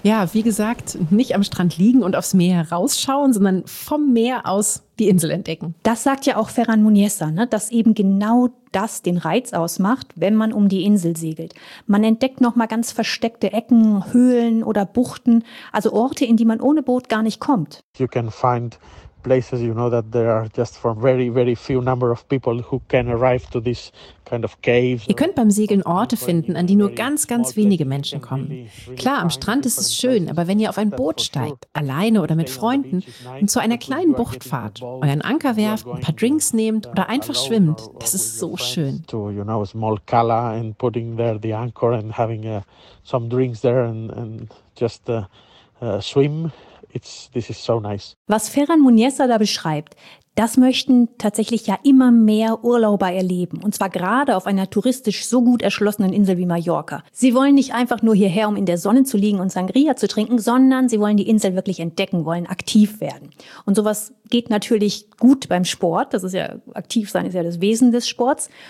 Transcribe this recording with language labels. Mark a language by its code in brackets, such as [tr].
[de] Ja, wie gesagt, nicht am Strand liegen und aufs Meer rausschauen, sondern vom Meer aus die Insel entdecken. Das sagt ja auch Ferran Muñeza, ne? Dass eben genau das den Reiz ausmacht, wenn man um die Insel segelt. Man entdeckt nochmal ganz versteckte Ecken, Höhlen oder Buchten, also Orte, in die man ohne Boot gar nicht kommt. [en] You can find places, you know, that there are just for very, very few number of people who can arrive to this kind of caves. [de] Ihr könnt beim Segeln Orte finden, an die nur ganz, ganz wenige Menschen kommen. Klar, am Strand ist es schön, aber wenn ihr auf ein Boot steigt, alleine oder mit Freunden und zu einer kleinen Bucht fahrt, euren Anker werft, ein paar Drinks nehmt oder einfach schwimmt, das ist so schön. [en] To, you know, a small cala and putting there the anchor and having some drinks there and just swim. This is so nice. [de] Was Ferran Muñeza da beschreibt, Das möchten tatsächlich ja immer mehr Urlauber erleben. Und zwar gerade auf einer touristisch so gut erschlossenen Insel wie Mallorca. Sie wollen nicht einfach nur hierher, um in der Sonne zu liegen und Sangria zu trinken, sondern sie wollen die Insel wirklich entdecken, wollen aktiv werden. Und sowas geht natürlich gut beim Sport. Das ist ja, aktiv sein ist ja das Wesen des Sports.